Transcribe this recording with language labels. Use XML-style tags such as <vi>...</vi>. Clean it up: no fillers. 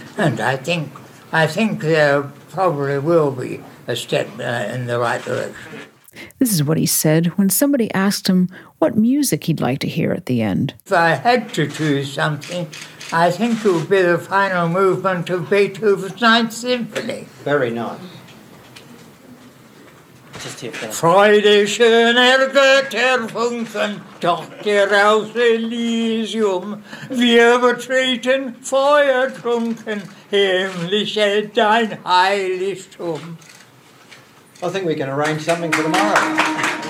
<en>And I think there probably will be a step in the right direction. This is what he said when somebody asked him what music he'd like to hear at the end. If I had to choose something, I think it would be the final movement of Beethoven's Ninth Symphony. Very nice.</en> <de>Freude, schöner Götter Funken, Tochter aus Elysium, wir betreten feuertrunken, himmlische dein Heiligtum.</de> <en>I think we can arrange something for tomorrow.</en>